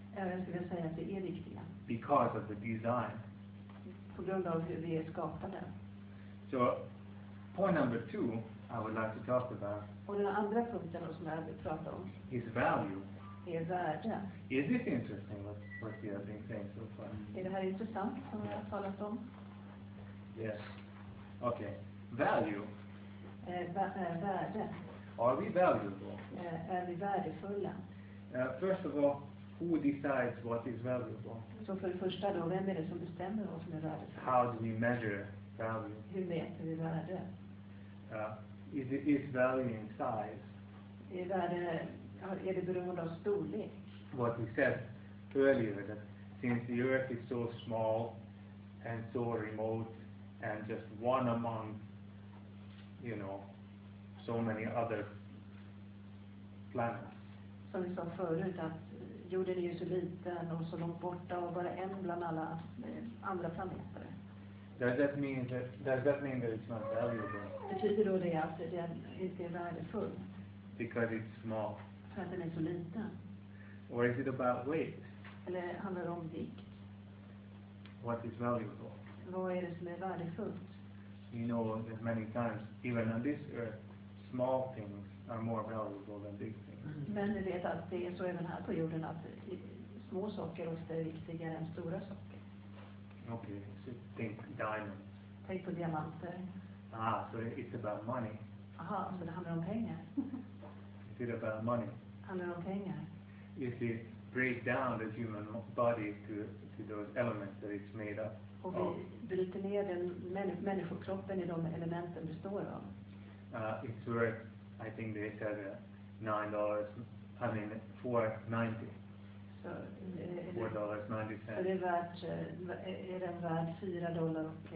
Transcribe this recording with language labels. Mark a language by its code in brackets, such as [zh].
[sv] Även skulle jag säga att vi är viktiga. [en] Because of the design. [sv] På grund av hur vi är skapade. [en] So, point number two. I would like to talk about. [sv] Och den andra punkten som jag vill prata om. [en] Is value. [sv] Är värde. [en] Is this interesting what we have been saying so far? [sv] Är det här intressant som jag har talat om? [en] Yes. Okay. Value. [sv] Värde. [en] Are we valuable? [sv] Är vi värdefulla? [en] First of all, who decides what is valuable? [sv] Så för det första då, vem är det som bestämmer vad som är värdefullt? [en] How do we measure value? [sv] Hur mäter vi värde? [en] Is value in size? [sv] Är det beroende av storlek? [en] What we said earlier, that since the Earth is so small and so remote and just one among, you know, so many other planets. [sv] Som vi sa förut, att jorden är ju så liten och så långt borta och bara en bland alla andra planeter. [en] Does that mean that it's not valuable? [sv] Betyder då det att den inte är värdefull? [en] Because it's small. [sv] För att den är så liten. [en] Or is it about weight? [sv] Eller handlar det om vikt? [en] What is valuable? [sv] Vad är det som är värdefullt? [en] You know that many times, even on this earth, small things are more valuable than big things. [sv] Men vi vet att det är så även här på jorden, att små saker ofta är viktigare än stora saker. [en] Okay, so think diamonds. [sv] Tänk på diamanter. [en] Ah, so it's about money. [sv] Aha, så det handlar om pengar. [en] Is it about money? [sv] Handlar om pengar. [en] If you break down the human body to those elements that it's made up. [sv] Och vi bryter ner den människokroppen i de elementen består av. [en] It's worth, I think they said $9, I mean $4.90. [sv] Så det är värt, är den värd $4.90.